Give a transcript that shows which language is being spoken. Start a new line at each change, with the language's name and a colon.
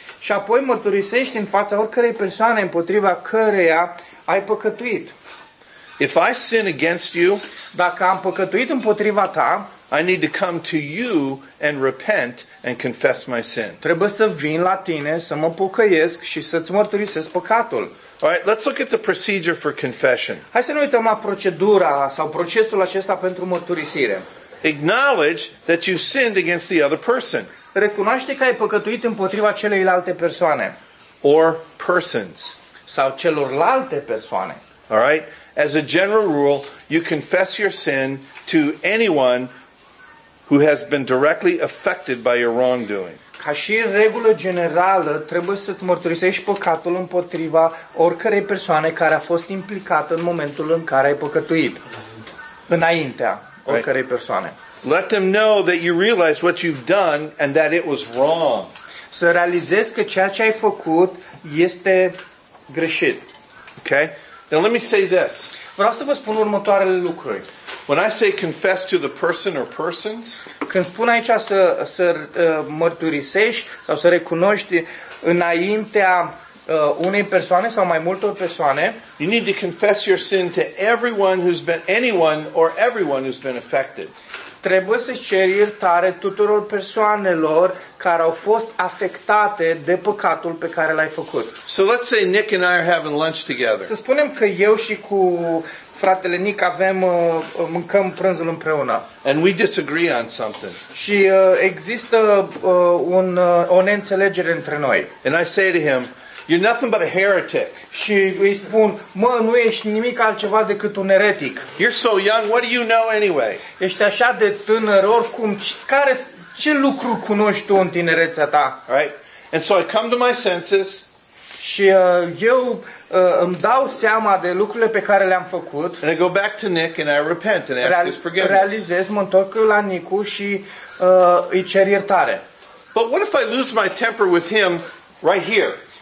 Romanian: Și apoi mărturisești în fața oricărei persoane împotriva căreia ai păcătuit.
English: If I sin against you,
Romanian: dacă am păcătuit împotriva ta,
English: I need to come to you and repent and confess my sin.
Romanian: Trebuie să vin la tine, să mă pocăiesc și să-ți mărturisesc păcatul.
English: All right, let's look at the procedure for confession.
Romanian: Hai să ne uităm la procedura sau procesul acesta pentru mărturisire.
English: Acknowledge that you sinned against the other person.
Romanian: Recunoaște că ai păcătuit împotriva celeilalte persoane.
English: Or persons.
Romanian: Sau celorlalte persoane.
English: All right? As a general rule, you confess your sin to anyone who has been directly affected by your wrongdoing.
Romanian: Ca și regulă generală, trebuie să-ți mărturisești păcatul împotriva oricărei persoane care a fost implicată în momentul în care ai păcătuit, înaintea oricărei persoane.
English: Let them know that you realize what you've done and that it was wrong.
Romanian: Să realizezi că ceea ce ai făcut este greșit.
English: Okay? Now let me say this.
Romanian: Vreau să vă spun următoarele lucruri.
English: When I say confess to the person or persons,
Romanian: când spun aici să mărturisești sau să recunoști înaintea unei persoane sau mai multor persoane,
English: you need to confess your sin to everyone who's been anyone or everyone who's been affected.
Romanian: Trebuie să-ți ceri iertare tuturor persoanelor care au fost afectate de păcatul pe care l-ai făcut.
English: So let's say Nick and I are having lunch together.
Romanian: Să spunem că eu și cu fratele Nic avem mâncăm prânzul împreună.
English: And we disagree on something.
Romanian: Și există o neînțelegere între noi.
English: And I say to him, you're nothing but a heretic.
Romanian: Și îi spun, mă, nu ești nimic altceva decât un eretic.
English: You're so young, what do you know anyway?
Romanian: Ești așa de tânăr, oricum, ce lucru cunoști tu în tinerețea ta?
English: Right? And so I come to my senses.
Romanian: Și eu îmi dau seama de lucrurile pe care le-am făcut.
English: And I go back to Nick and I repent and ask his forgiveness.
Romanian: Realizez, mă întorc la Nicu și îi cer iertare.
English: But what if I lose my temper with him right here?